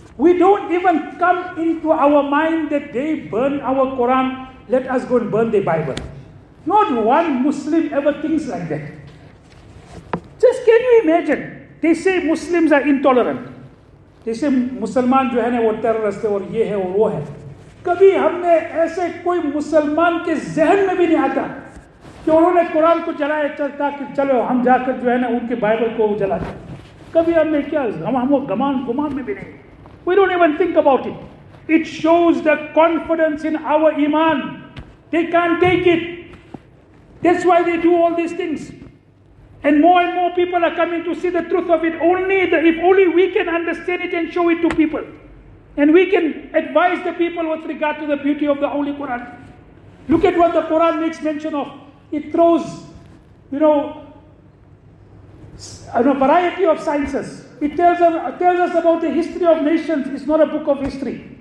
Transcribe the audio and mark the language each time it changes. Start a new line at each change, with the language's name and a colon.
English: We don't even come into our mind that they burn our Quran, let us go and burn the Bible. Not one Muslim ever thinks like that. Just can you imagine? They say Muslims are intolerant. They say
Urdu: Musalman jo hai na wo terrorist hai aur ye hai aur wo hai. کبھی ہم نے ایسے کوئی مسلمان کے ذہن میں بھی نہیں آتا کہ انہوں نے قرآن کو جلایا تاکہ چلو ہم جا کر جو ہے نا ان کے بائبل کو جلا دیں. کبھی ہم نے کیا ہم وہ گمان گمان میں بھی نہیں.
English: We don't even think about it. It shows the confidence in our ایمان. They can take it. That's why they do all these things. And more people are coming to see the truth of it. Only if only we can understand it and show it to people. And we can advise the people with regard to the beauty of the Holy Quran. Look at what the Quran makes mention of. It throws, you know, a variety of sciences. It tells us about the history of nations. It's not a book of history.